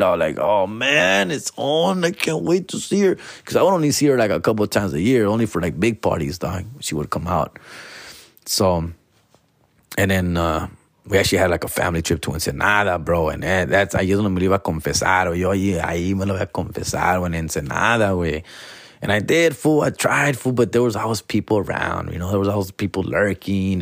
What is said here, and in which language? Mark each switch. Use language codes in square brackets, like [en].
[en] I'm like, oh, man, it's on. I can't wait to see her. Because I would only see her, like, a couple of times a year, only for, like, big parties, dog. She would come out. So, and then we actually had, like, a family trip to Ensenada, bro. And that's, I just don't believe I confessed. [es] Yo, ahí me lo voy a confesar en Ensenada, güey. [en] And I did, fool. I tried, fool. But there was always people around. You know, there was always people lurking.